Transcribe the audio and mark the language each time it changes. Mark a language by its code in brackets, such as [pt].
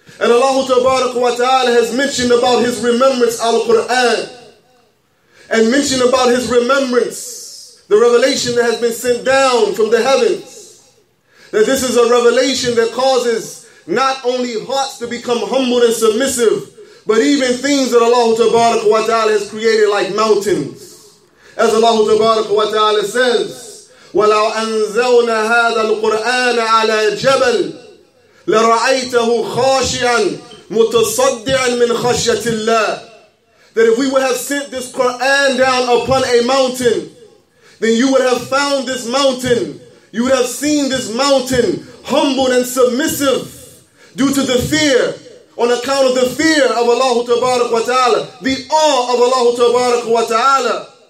[en] And Allah tabarak wa ta'ala has mentioned about His remembrance Al-Quran, and mentioned about His remembrance, the revelation that has been sent down from the heavens. That this is a revelation that causes not only hearts to become humble and submissive, but even things that Allah tabarak wa ta'ala has created like mountains. [ar] As Allah tabarak wa ta'ala says, وَلَوْ أَنزَلْنَا هَذَا الْقُرْآنَ عَلَى جَبَلٍ لَرَأَيْتَهُ خَاشِعًا مُتَصَدِّعًا مِنْ خَشْيَةِ اللَّهِ. [en] That if we would have sent this Quran down upon a mountain, then you would have found this mountain, you would have seen this mountain humbled and submissive due to the fear, on account of the fear of Allah tabarak wa ta'ala, the awe of Allah tabarak wa ta'ala.